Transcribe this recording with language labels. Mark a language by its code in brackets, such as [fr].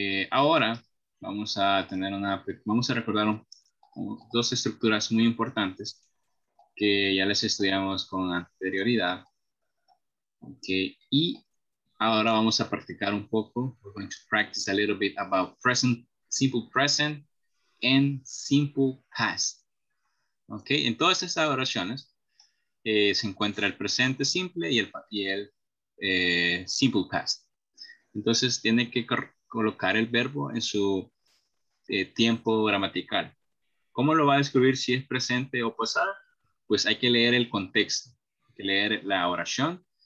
[es] Ahora vamos a tener una, vamos a recordar dos estructuras muy importantes que ya les estudiamos con anterioridad. Ok, y ahora vamos a practicar un poco. [en] We're going to practice a little bit about present, simple present and simple past. [es] Ok, en todas estas oraciones se encuentra el presente simple y el simple past. Entonces, tiene que colocar el verbo en su tiempo gramatical. ¿Cómo lo va a describir si es presente o pasado? Pues hay que leer el contexto, hay que leer la oración.